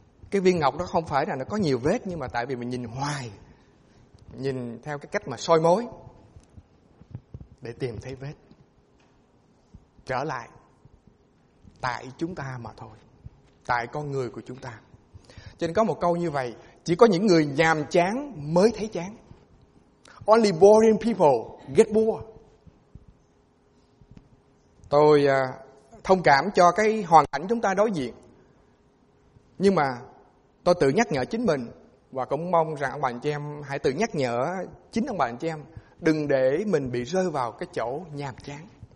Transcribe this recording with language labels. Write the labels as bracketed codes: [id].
[vi] Cái viên ngọc đó không phải là nó có nhiều vết, nhưng mà tại vì mình nhìn hoài, nhìn theo cái cách mà soi mối để tìm thấy vết, trở lại tại chúng ta mà thôi, tại con người của chúng ta. Cho nên có một câu như vậy, chỉ có những người nhàm chán mới thấy chán. [en] Only boring people get bored. [vi] Tôi thông cảm cho cái hoàn cảnh chúng ta đối diện, nhưng mà tôi tự nhắc nhở chính mình, và cũng mong rằng ông bà anh chị em hãy tự nhắc nhở chính ông bà anh chị em, đừng để mình bị rơi vào cái chỗ nhàm chán.